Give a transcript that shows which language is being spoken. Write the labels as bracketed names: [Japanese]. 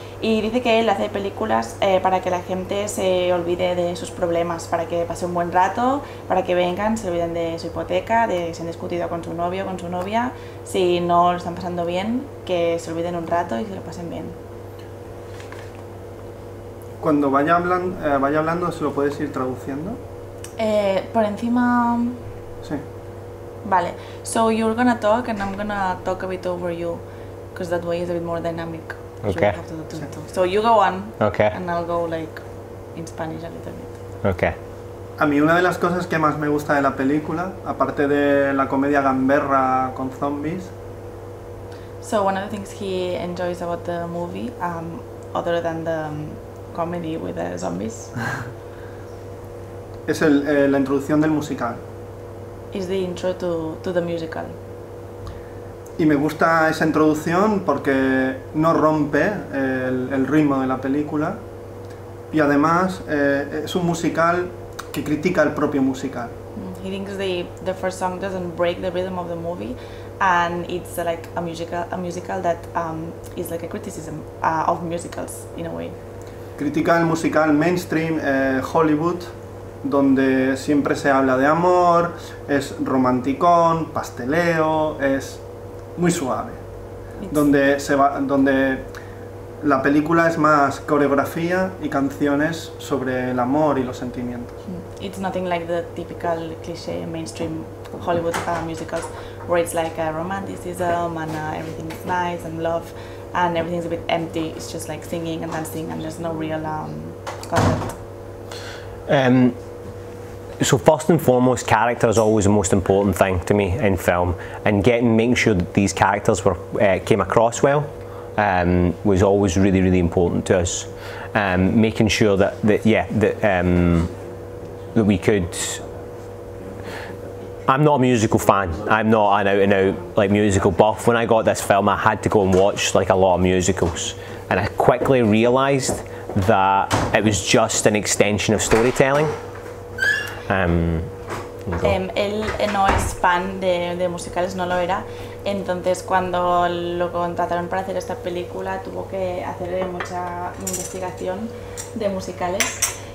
[Spanish] Y dice que él hace películas para que la gente se olvide de sus problemas, para que pase un buen rato, para que vengan, se olviden de su hipoteca, de si han discutido con su novio, con su novia, si no lo están pasando bien, que se olviden un rato y se lo pasen bien. Cuando vaya hablando, ¿se lo puedes ir traduciendo? Por encima. Sí. Vale. [English] So you're gonna talk and I'm gonna talk a bit over you, because that way is a bit more dynamic. Okay. So you go on. Okay. And I'll go in Spanish a little bit. Okay. [Spanish] A mí una de las cosas que más me gusta de la película, aparte de la comedia gamberra con zombies. [English] So one of the things he enjoys about the movie, other than the comedy with zombies. [Spanish] Es la introducción del musical. [English] Is the intro to the musical. [Spanish] Y me gusta esa introducción porque no rompe el ritmo de la película y además es un musical que critica el propio musical. [English] He thinks the first song doesn't break the rhythm of the movie and it's a musical that is a criticism of musicals in a way. [Spanish] Critica el musical mainstream Hollywood, donde siempre se habla de amor, es romanticón, pasteleo, es muy suave. Donde la película es más coreografía y canciones sobre el amor y los sentimientos. [English] It's nothing like the typical cliché mainstream Hollywood musicals, where it's like a romanticism and everything is nice and love. And everything's a bit empty. It's just singing and dancing, and there's no real concept. So first and foremost, character is always the most important thing to me in film, and making sure that these characters came across well was always really, really important to us. Making sure that we could. I'm not a musical fan. I'm not an out and out musical buff. When I got this film, I had to go and watch a lot of musicals. And I quickly realized that it was just an extension of storytelling. [Spanish] Él no es fan de musicales, no lo era. Entonces, cuando lo contrataron para hacer esta película, tuvo que hacer mucha investigación de musicales.